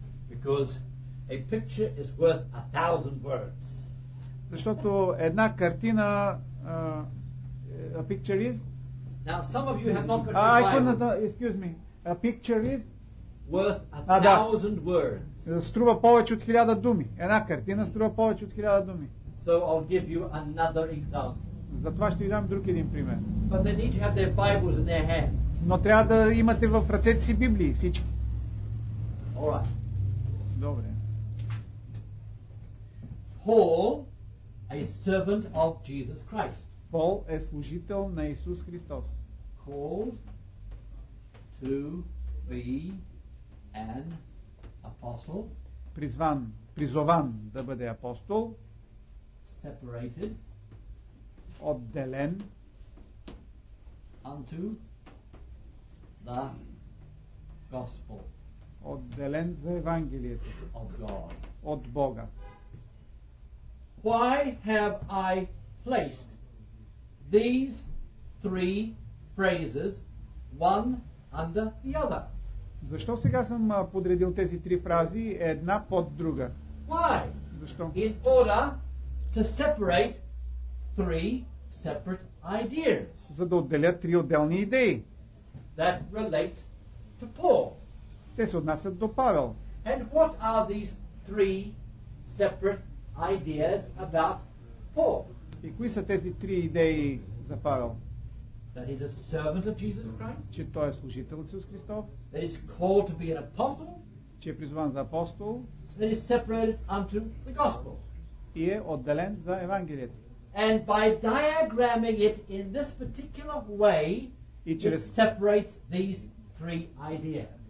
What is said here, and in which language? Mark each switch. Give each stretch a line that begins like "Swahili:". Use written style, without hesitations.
English: Because a picture is worth a thousand words.
Bulgarian: Защото една картина,
English: a picture is... Now some of you have not got your Bibles. I couldn't, excuse me. A picture is... worth a thousand words.
Bulgarian: Струва повече от хиляда думи. Една картина струва повече от хиляда думи.
English: So I'll give you another example.
Bulgarian: Затова ще ви дам друг един пример.
English: But they need to have their Bibles in their hands.
Bulgarian: Но трябва да имате в ръцете си Библии всички.
English: All right.
Bulgarian: Добре.
English: Paul, a servant of Jesus Christ.
Bulgarian: Paul е служител на Исус Христос.
English: Called to be an apostle.
Bulgarian: Призован да бъде апостол.
English: Separated.
Bulgarian: Отделен.
English: Unto the gospel.
Bulgarian: Отделен за Евангелието.
English: Of God.
Bulgarian: От Бога.
English: Why have I placed these three phrases one under the other?
Bulgarian: Защо сега съм подредил тези три фрази една под друга?
English: Why?
Bulgarian: Защо?
English: In order to separate three separate ideas.
Bulgarian: За да отделя три отделни идеи.
English: That relate to Paul.
Bulgarian: Те се отнасят до Павел.
English: And what are these three separate ideas about Paul?
Bulgarian: И кои са тези три идеи за Павел?
English: That he's a servant of Jesus Christ.
Bulgarian: Че той е служител на Исус Христос.
English: That he's called to be an apostle.
Bulgarian: Че е призван за апостол.
English: That he's separated unto the gospel.
Bulgarian: И е отделен за Евангелието.
English: And by diagramming it in this particular way, it separates these three ideas.